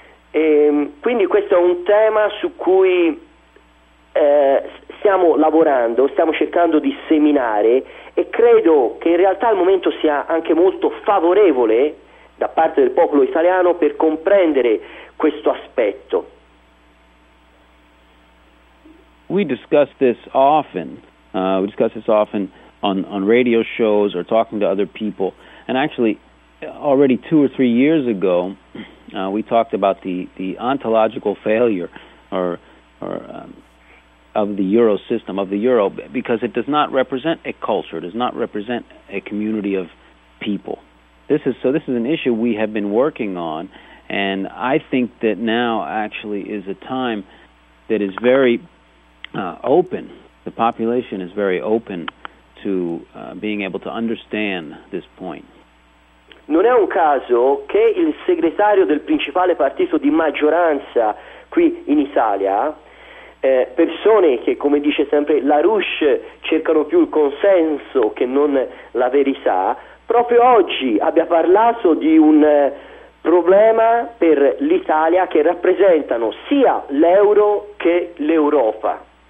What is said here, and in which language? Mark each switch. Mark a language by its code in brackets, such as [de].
[it] E quindi questo è un tema su cui stiamo lavorando, stiamo cercando di seminare, e credo che in realtà al momento sia anche molto favorevole da parte del popolo italiano per comprendere questo aspetto. [en] We discuss this often. We discuss this often on radio shows or talking to other people. And actually, already two or three years ago, we talked about the ontological failure of the euro system, of the euro, because it does not represent a culture. It does not represent a community of people. This is an issue we have been working on, and I think that now actually is a time that is very open. The population is very open to being able to understand this point. [it] Non è un caso che il segretario del principale partito di maggioranza qui in Italia, persone che, come dice sempre La Rouche, cercano più il consenso che non la verità, proprio oggi abbia parlato di un problema per l'Italia che rappresentano sia l'euro che l'Europa.